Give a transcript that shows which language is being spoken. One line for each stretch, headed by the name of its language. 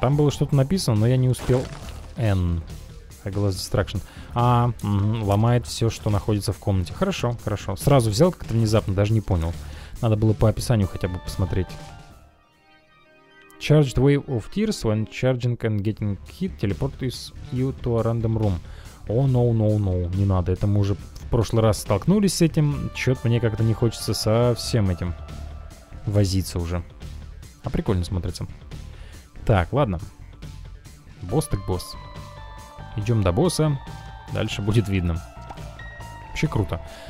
Russian: Там было что-то написано, но я не успел.
English: N. Hagalas Destruction.
Russian: А, ломает все, что находится в комнате. Хорошо, хорошо. Сразу взял как-то внезапно, даже не понял. Надо было по описанию хотя бы посмотреть.
English: Charged Wave of Tears when charging and getting hit teleports you to a random room. Oh, no, no, no.
Russian: Не надо. Это мы уже в прошлый раз столкнулись с этим. Чё-то мне как-то не хочется со всем этим возиться уже. А прикольно смотрится. Так, ладно. Босс так босс. Идем до босса. Дальше будет видно. Вообще круто.